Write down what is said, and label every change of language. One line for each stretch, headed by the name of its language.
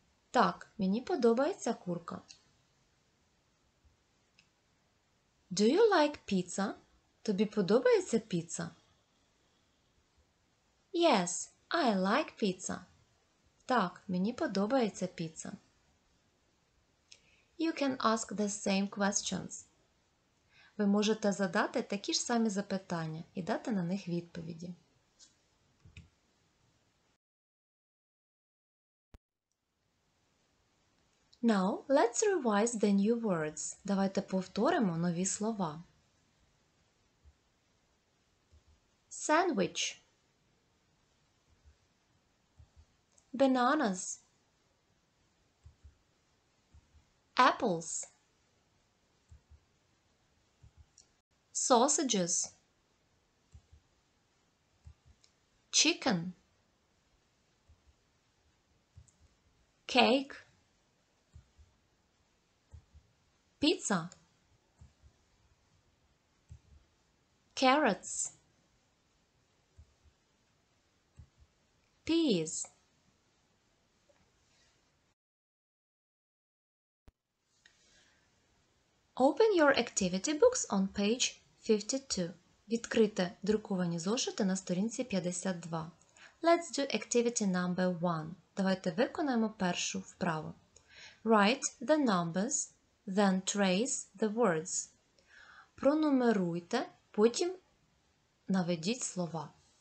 Ukrainian: Так, мені подобається курка.
English: Do you like pizza?
Ukrainian: Тобі подобається піца?
English: Yes, I like pizza.
Ukrainian: Так, мені подобається піца.
English: You can ask the same questions.
Ukrainian: Ви можете задати такі ж самі запитання і дати на них відповіді.
English: Now, let's revise the new words.
Ukrainian: Давайте повторимо нові слова.
English: Sandwich. Bananas. Apples. Sausages. Chicken. Cake. Pizza. Carrots. Peas. Open your activity books on page 52.
Ukrainian: Відкрите друковані зошити на сторінці 52.
English: Let's do activity number 1.
Ukrainian: Давайте виконаємо першу вправу.
English: Write the numbers then trace the words.
Ukrainian: Пронумеруйте, потім наведіть слова.